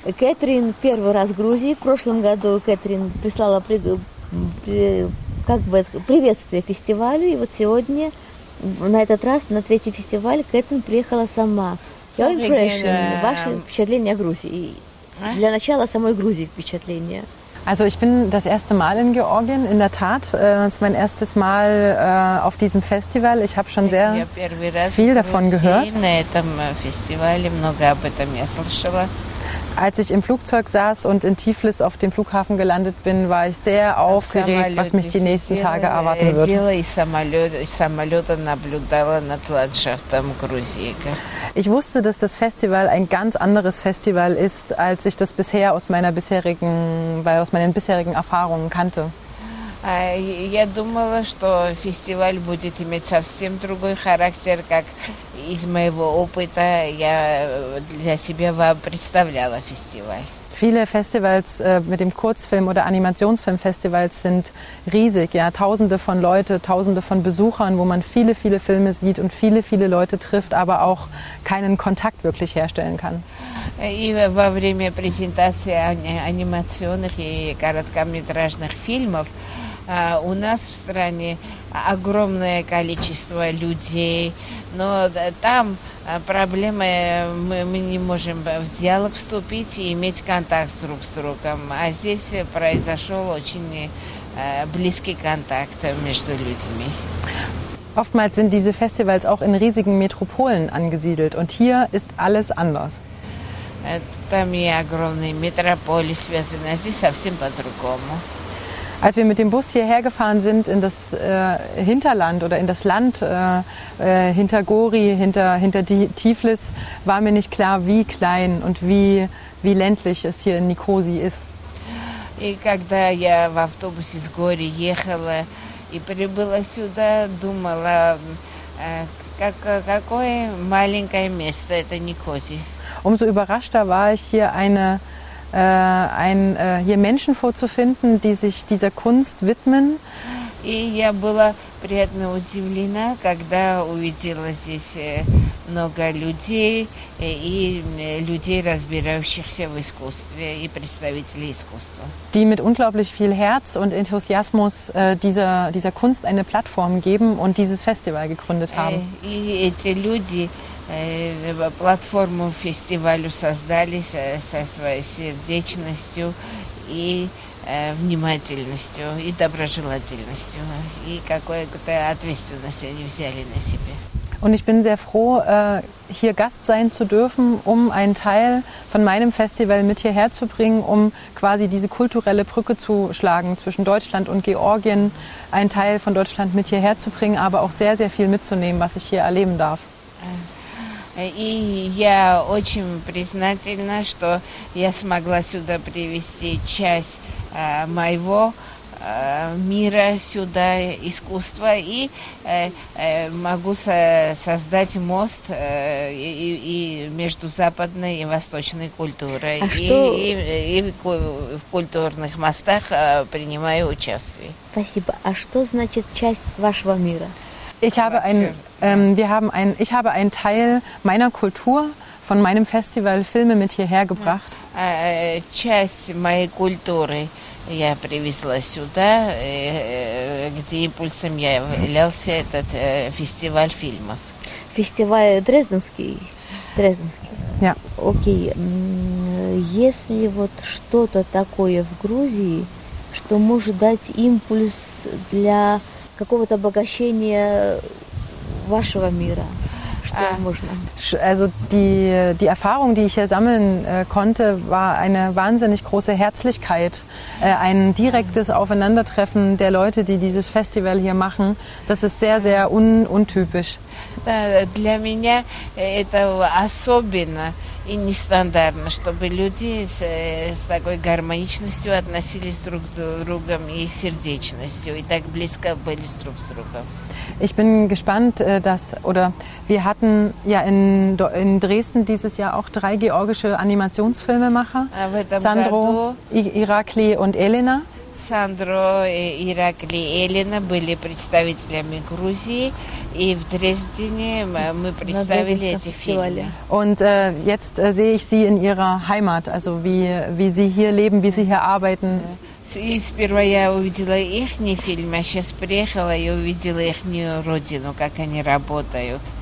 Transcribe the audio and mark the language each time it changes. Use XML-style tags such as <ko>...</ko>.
<ru>Кэтрин первый раз в Грузии, в прошлом году Кэтрин прислала приветствие фестивалю, и вот сегодня... На этот раз, на третий фестиваль, Кэтрин приехала сама.</ru> <en>Your impression,</en> <ru>ваше впечатление о Грузии. Для начала самой Грузии впечатление.</ru> <de>Also ich bin das erste Mal in Georgien, in der Tat. Es ist mein erstes Mal auf diesem Festival. Ich habe schon sehr viel davon gehört.</de> <ru>Я первый раз в Грузии, на этом фестивале, много об этом я слышала.</ru> <de>Als ich im Flugzeug saß und in Tiflis auf dem Flughafen gelandet bin, war ich sehr aufgeregt, was mich die nächsten Tage erwarten wird. Ich wusste, dass das Festival ein ganz anderes Festival ist, als ich das bisher aus meinen bisherigen Erfahrungen kannte.</de> <ru>Я думала, что фестиваль будет иметь совсем другой характер, как из моего опыта я для себя представляла фестиваль.</ru> <de>Viele Festivals mit dem Kurzfilm- oder Animationsfilmfestivals sind riesig. Ja, tausende von Leute, tausende von Besuchern, wo man viele, viele Filme sieht und viele, viele Leute trifft, aber auch keinen Kontakt wirklich herstellen kann.</de> <ru>И во время презентации анимационных и короткометражных фильмов у нас в стране огромное количество людей, но там проблема, мы не можем в диалог вступить и иметь контакт друг с другом. А здесь произошел очень близкий контакт между людьми.</ru> <de>Oftmals sind diese Festivals auch in riesigen Metropolen angesiedelt und hier ist alles anders.</de> <ru>Там и огромные метрополии связаны, а здесь совсем по-другому.</ru> <de>Als wir mit dem Bus hierher gefahren sind in das Hinterland oder in das Land hinter Gori, hinter Tiflis, war mir nicht klar, wie klein und wie ländlich es hier in Nikosi ist.</de> <ru>И когда я в автобусе с Гори ехала и прибыла сюда, думала, какое маленькое место это Никоси.</ru> <de>Umso überraschter war ich hier hier Menschen vorzufinden, die sich dieser Kunst widmen.</de> <ru>И я была приятно удивлена, когда увидела здесь много людей и людей, разбирающихся в искусстве и представителей искусства.</ru> <de>Die mit unglaublich viel Herz und Enthusiasmus dieser Kunst eine Plattform geben und dieses Festival gegründet haben.</de> <ru>И эти люди платформу фестивалю создали со своей сердечностью и внимательностью и доброжелательностью. И какую-то ответственность они взяли на себя.</ru> <de>Und ich bin sehr froh, hier Gast sein zu dürfen, um einen Teil von meinem Festival mit hierher zu bringen, um quasi diese kulturelle Brücke zu schlagen zwischen Deutschland und Georgien, einen Teil von Deutschland mit hierher zu bringen, aber auch sehr, sehr viel mitzunehmen, was ich hier erleben darf.</de> <ru>И я очень признательна, что я смогла сюда привести часть моего мира сюда, искусства, и могу создать мост и между западной и восточной культурой. В культурных мостах принимаю участие. Спасибо. А что значит часть вашего мира?</ru> <de>Ich habe einen Teil meiner Kultur von meinem Festival Filme mit hierher gebracht.</de> <ru>Часть моей культуры я привезла сюда, где импульсом я являлся этот фестиваль фильмов. Фестиваль Дрезденский. Да. Окей. Если вот что-то такое в Грузии, что может дать импульс для какого-то обогащения вашего мира, что можно?</ru> <de>Also die Erfahrung, die ich hier sammeln konnte, war eine wahnsinnig große Herzlichkeit, ein direktes Aufeinandertreffen der Leute, die dieses Festival hier machen. Das ist sehr, sehr untypisch.</de> <ru>Для меня это особенно и нестандартно, чтобы люди с такой гармоничностью относились друг к другу и сердечностью, и так близко были друг с другом.</ru> <de>Ich bin gespannt, dass, oder wir hatten ja in Dresden dieses Jahr auch drei georgische Animationsfilmemacher, Sandro, Irakli und Elena.</de> <ru>Сандро, Иракли, Элена были представителями Грузии, и в Дрездене мы представили эти фильмы.</ru> <de>Und jetzt sehe ich Sie in Ihrer Heimat, also wie Sie hier leben, wie Sie hier arbeiten.</de> <ru>Сперва я увидела их фильмы, а сейчас приехала и увидела их родину, как они работают.</ru>